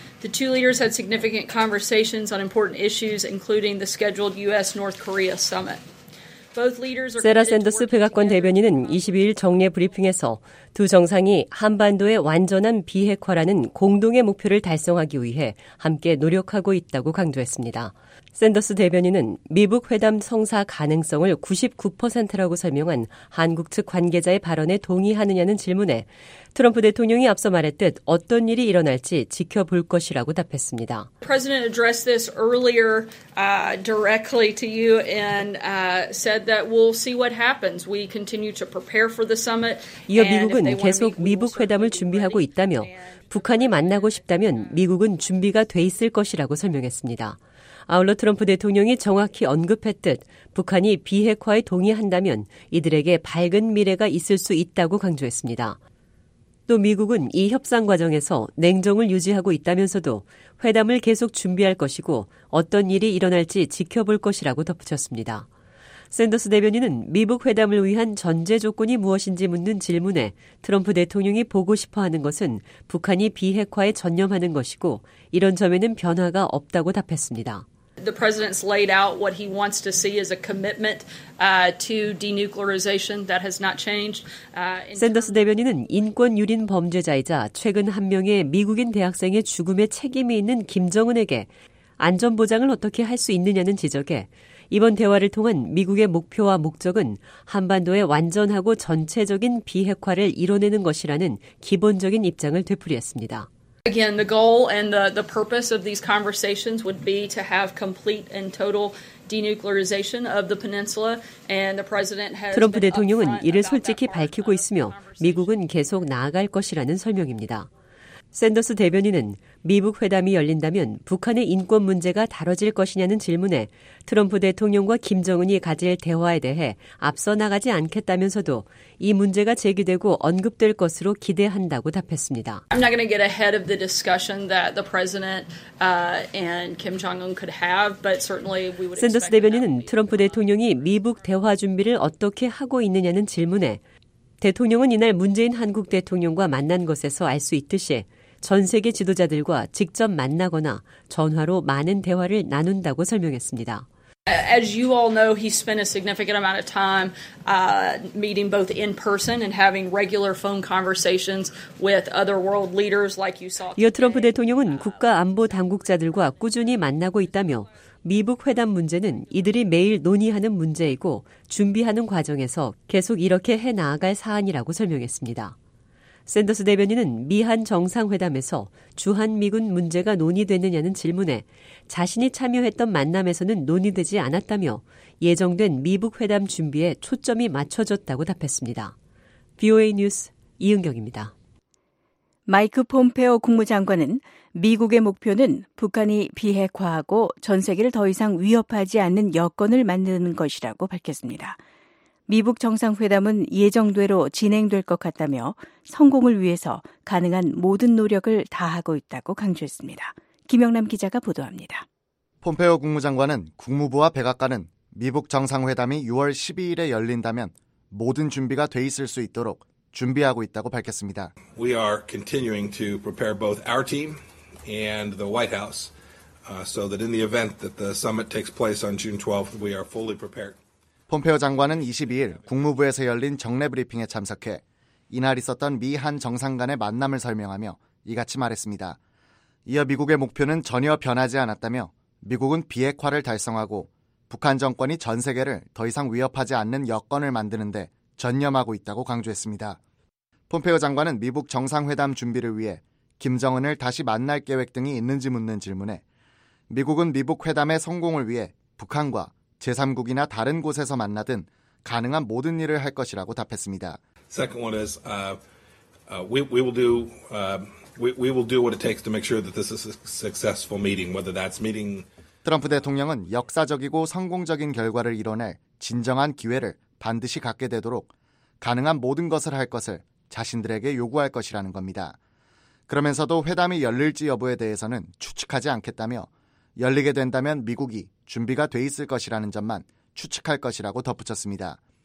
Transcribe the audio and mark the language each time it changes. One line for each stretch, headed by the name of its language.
English: The two leaders had significant conversations on important issues, including the scheduled U.S.-North Korea summit.
Korean: 세라 샌더스 백악관 대변인은 22일 정례 브리핑에서 두 정상이 한반도의 완전한 비핵화라는 공동의 목표를 달성하기 위해 함께 노력하고 있다고 강조했습니다. 샌더스 대변인은 미북 회담 성사 가능성을 99%라고 설명한 한국 측 관계자의 발언에 동의하느냐는 질문에 트럼프 대통령이 앞서 말했듯 어떤 일이 일어날지 지켜볼 것이라고 답했습니다.
English: President addressed this earlier directly to you and said that we'll see what happens. We continue to prepare for the summit.
Korean: 이어 미국은 계속 미북 회담을 준비하고 있다며 북한이 만나고 싶다면 미국은 준비가 돼 있을 것이라고 설명했습니다. 아울러 트럼프 대통령이 정확히 언급했듯 북한이 비핵화에 동의한다면 이들에게 밝은 미래가 있을 수 있다고 강조했습니다. 또 미국은 이 협상 과정에서 냉정을 유지하고 있다면서도 회담을 계속 준비할 것이고 어떤 일이 일어날지 지켜볼 것이라고 덧붙였습니다. 샌더스 대변인은 미북 회담을 위한 전제 조건이 무엇인지 묻는 질문에 트럼프 대통령이 보고 싶어하는 것은 북한이 비핵화에 전념하는 것이고 이런 점에는 변화가 없다고 답했습니다.
English: The president's laid out what he wants to see as a commitment to denuclearization that has not changed.
Korean: 샌더스 대변인은 인권 유린 범죄자이자 최근 한 명의 미국인 대학생의 죽음에 책임이 있는 김정은에게 안전 보장을 어떻게 할 수 있느냐는 지적에 이번 대화를 통한 미국의 목표와 목적은 한반도의 완전하고 전체적인 비핵화를 이뤄내는 것이라는 기본적인 입장을 되풀이했습니다.
English: Again, the goal and the purpose of these conversations would be to have complete and total denuclearization of the peninsula, and the president has
Korean: 트럼프 대통령은 이를 솔직히 밝히고 있으며 미국은 계속 나아갈 것이라는 설명입니다. 샌더스 대변인은 미북 회담이 열린다면 북한의 인권 문제가 다뤄질 것이냐는 질문에 트럼프 대통령과 김정은이 가질 대화에 대해 앞서 나가지 않겠다면서도 이 문제가 제기되고 언급될 것으로 기대한다고 답했습니다.
English: I'm not going to get ahead of the discussion that the president and Kim Jong-un could have, but certainly we would.
Korean: 샌더스 대변인은 트럼프 대통령이 미북 대화 준비를 어떻게 하고 있느냐는 질문에 대통령은 이날 문재인 한국 대통령과 만난 것에서 알 수 있듯이 전 세계 지도자들과 직접 만나거나 전화로 많은 대화를 나눈다고 설명했습니다.
English: As you all know, he spent a significant amount of time meeting both in person and having regular phone conversations with other world leaders like you saw.
Korean: 이어 트럼프 대통령은 국가 안보 당국자들과 꾸준히 만나고 있다며 미북 회담 문제는 이들이 매일 논의하는 문제이고 준비하는 과정에서 계속 이렇게 해나아갈 사안이라고 설명했습니다. 샌더스 대변인은 미한 정상회담에서 주한미군 문제가 논의되느냐는 질문에 자신이 참여했던 만남에서는 논의되지 않았다며 예정된 미북 회담 준비에 초점이 맞춰졌다고 답했습니다. VOA 뉴스 이은경입니다. 마이크 폼페오 국무장관은 미국의 목표는 북한이 비핵화하고 전 세계를 더 이상 위협하지 않는 여건을 만드는 것이라고 밝혔습니다. 미북 정상회담은 예정대로 진행될 것 같다며 성공을 위해서 가능한 모든 노력을 다하고 있다고 강조했습니다. 김영남 기자가 보도합니다. 폼페오 국무장관은 국무부와 백악관은 미북 정상회담이 6월 12일에 열린다면 모든 준비가 돼 있을 수 있도록 준비하고 있다고 밝혔습니다.
English: We are continuing to prepare both our team and the White House so that in the event that the summit takes place on June 12th, we are fully prepared.
Korean: 폼페오 장관은 22일 국무부에서 열린 정례 브리핑에 참석해 이날 있었던 미한 정상 간의 만남을 설명하며 이같이 말했습니다. 이어 미국의 목표는 전혀 변하지 않았다며 미국은 비핵화를 달성하고 북한 정권이 전 세계를 더 이상 위협하지 않는 여건을 만드는데 전념하고 있다고 강조했습니다. 폼페오 장관은 미북 정상회담 준비를 위해 김정은을 다시 만날 계획 등이 있는지 묻는 질문에 미국은 미북 회담의 성공을 위해 북한과 제3국이나 다른 곳에서 만나든 가능한 모든 일을 할 것이라고 답했습니다.
English: Second one is we will do what it takes to make sure that this is a successful meeting, whether that's meeting.
Korean: 트럼프 대통령은 역사적이고 성공적인 결과를 이뤄낼 진정한 기회를 반드시 갖게 되도록 가능한 모든 것을 할 것을 자신들에게 요구할 것이라는 겁니다. 그러면서도 회담이 열릴지 여부에 대해서는 추측하지 않겠다며 열리게 된다면 미국이 준비가 돼 있을 것이라는 점만 추측할 것이라고 덧붙였습니다.